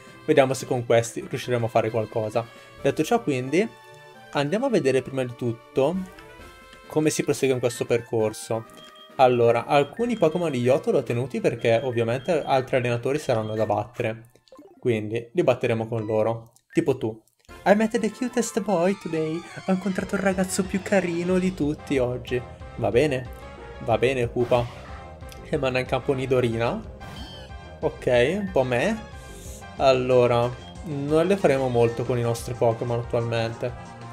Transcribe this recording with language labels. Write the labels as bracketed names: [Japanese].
[Italian] Vediamo se con questi riusciremo a fare qualcosa. Detto ciò, quindi, andiamo a vedere prima di tutto come si prosegue in questo percorso. Allora, alcuni Pokémon di Johto li ho tenuti perché ovviamente altri allenatori saranno da battere. Quindi, li batteremo con loro. Tipo tu. [English] I met the cutest boy today. [Italian] Ho incontrato il ragazzo più carino di tutti oggi. Va bene? Va bene, Koopa. E manda in campo Nidorina. Ok, un po' me. Allora, non le faremo molto con i nostri Pokémon attualmente.